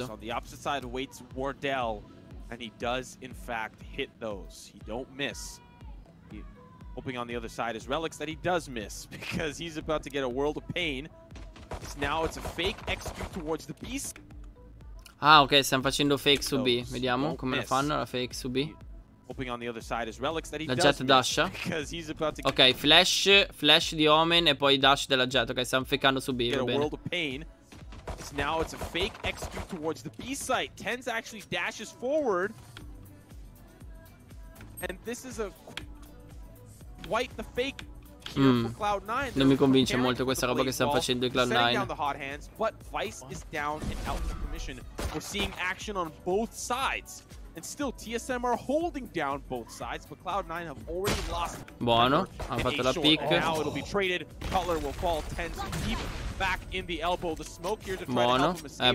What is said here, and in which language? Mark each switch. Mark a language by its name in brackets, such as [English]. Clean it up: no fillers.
[English] On the opposite side awaits Wardell, and he does in fact hit those. He don't miss. Hoping on the other side is Relics that he does miss because he's about to get a world of pain. Now it's a fake execute towards the beast. [Italian] Ah, ok, stiamo facendo fake su B. Vediamo come la fanno la fake su B. [English] Hoping on the other side is Relics that he [Italian] la Jet dash. Ok, flash di Omen e poi dash della Jet. Ok, stiamo fakeando su B. Va bene. [English] Now it's a fake execute towards the B site. Tenz actually dashes forward. And this is a quite the fake for Cloud9. [Italian] Non mi convince molto questa roba che stanno facendo i Cloud9. [English] But Vice is down and out of commission. We're seeing action on both sides. And still TSM are holding down both sides, but Cloud9 have already lost. [Italian] Buono, ha fatto la pick. [English] Now it'll be traded. Cutler will fall 10 deep back in the elbow. The smoke here to try to help him escape.